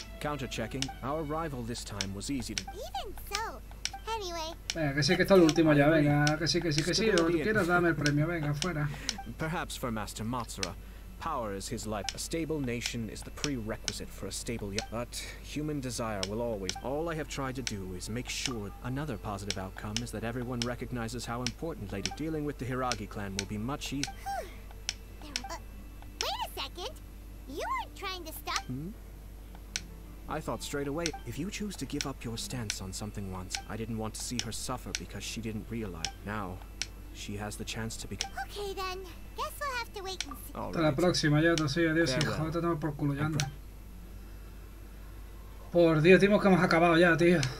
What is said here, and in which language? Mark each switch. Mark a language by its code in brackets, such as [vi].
[en] Counter-checking, our rival this time was easy to. Even so. Anyway. [es] Venga, que sí, que está el último ya, venga, que sí, lo que quieras, dame el premio, venga, fuera. [en] Perhaps for Master Matsura, power is his life. A stable nation is the prerequisite for a stable young. But human desire will always. All I have tried to do is make sure another positive outcome is that everyone recognizes how important Lady dealing with the Haragi clan will be much easier. Wait a second. You aren't trying to stop. Hmm? I thought straight away, if you choose to give up your stance on something once, I didn't want to see her suffer because she didn't realize. Now, she has the chance to be. Okay then, guess we'll have to wait and see. [es] Hasta la próxima, ya te sigo, adiós, hijo, te tomo por culo, ya anda. Por Dios, dimos que hemos acabado ya, tío.